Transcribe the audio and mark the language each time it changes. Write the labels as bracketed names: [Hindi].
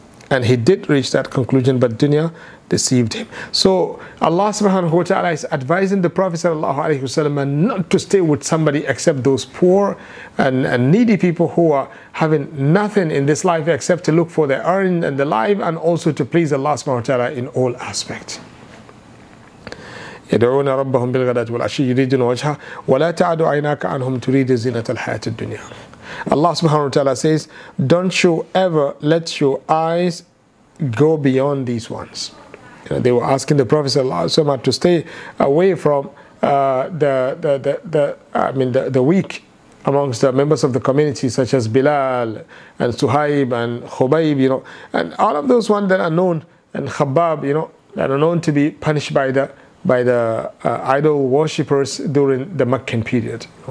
[English] And he did reach that conclusion, but dunya deceived him. So Allah subhanahu wa ta'ala is advising the Prophet sallallahu alayhi wa sallam not to stay with somebody except those poor and needy people who are having nothing in this life except to look for their earning and the life, and also to please Allah subhanahu wa ta'ala in all aspects. [Arabic] يدعون ربهم بالغداة والعشي يريدون وجهه ولا تعد عيناك عنهم تريد زينة الحياة الدنيا. [English] Allah subhanahu wa ta'ala says, don't you ever let your eyes go beyond these ones. You know, they were asking the Prophet sallallahu alaihi wasallam to stay away from the weak amongst the members of the community, such as Bilal and Suhaib and Khubayb, you know, and all of those ones that are known, and Khabbab, you know, that are known to be punished by the idol worshippers during the Meccan period.